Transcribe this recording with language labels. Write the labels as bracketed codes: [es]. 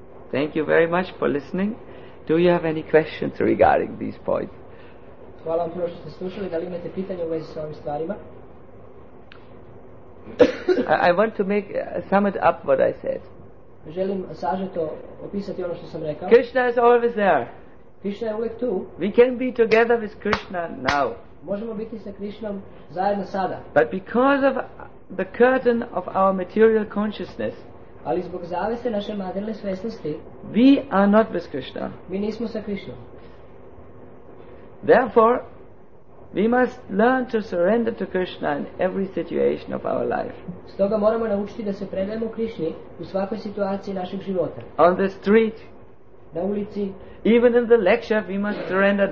[en] Thank you very much for listening. Do you have any questions regarding these points? [sr] Hvala vam puno što ste slušali. Da li imate pitanje u vezi sa ovim stvarima? [en] I want to make sum it up what I said. [sr] Želim sažeto opisati ono što sam rekao. [en] Krishna is always there. [sr] Krishna je uvijek tu. [en] We can be together with Krishna now. [sr] Možemo biti sa Krishnom zajedno sada. [en] But because of the curtain of our material consciousness. [sr] Ali zbog zavese naše materijalne svjesnosti. [en] We are not with Krishna. [sr] Mi nismo sa Krishnom. [en] Therefore, we must learn to surrender to Krishna in every situation of our life. [sr] Stoga moramo naučiti da se predajemo Krishni u svakoj situaciji našeg života. [en] On the street. [sr] Na ulici. [en] Even in the lecture, we must surrender.